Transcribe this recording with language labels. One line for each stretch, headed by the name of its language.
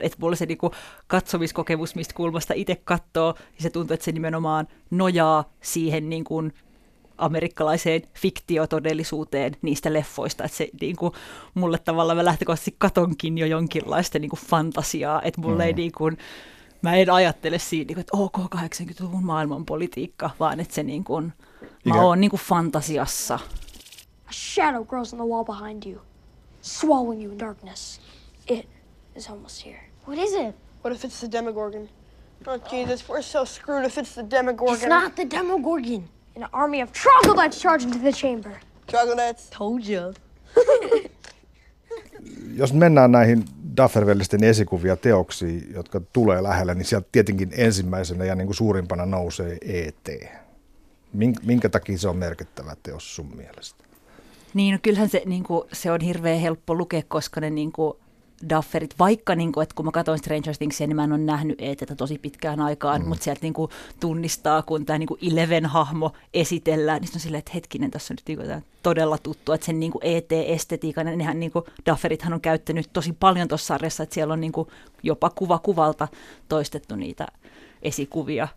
Finnish: Että mulla se niinku katsomiskokemus, mistä kulmasta itse katsoo, niin se tuntuu, että se nimenomaan nojaa siihen niinku amerikkalaiseen fiktiotodellisuuteen niistä leffoista. Että se niinku, mulle tavallaan mä lähtökohtaisesti katonkin jo jonkinlaista niinku fantasiaa, että mulle ei niinku, mä en ajattele siinä, että ok, 80-luvun maailmanpolitiikka, vaan että se niin kuin, mä oon niin kuin fantasiassa.
English: A shadow grows on the wall behind you, swallowing you in darkness. It is almost here. What is it? What if it's the Demogorgon? Oh, Jesus, we're so screwed if it's the Demogorgon. It's not the Demogorgon. An army of troglodytes charge into the chamber. Troglodytes. Told you.
Finnish: Jos mennään näihin Duffer-veljesten esikuvia teoksia, jotka tulee lähellä, niin sieltä tietenkin ensimmäisenä ja niin kuin suurimpana nousee E.T. Minkä takia se on merkittävä teos sun mielestä? Niin, no, kyllähän se, niin kuin, se on hirveän helppo lukea, koska ne niin kuin Dufferit, vaikka niin kuin, että kun mä katsoin Stranger Thingsia, niin mä en ole nähnyt E.T.tä tosi pitkään aikaan, mutta sieltä niin kuin, tunnistaa, kun tämä niin kuin Eleven-hahmo esitellään, niin se on silleen, että hetkinen, tässä on nyt niin kuin, todella tuttu, että sen niin kuin E.T.-estetiikan, nehän niin kuin Dufferithan on käyttänyt tosi paljon tuossa sarjassa, että siellä on niin kuin, jopa kuva kuvalta toistettu niitä esikuvia.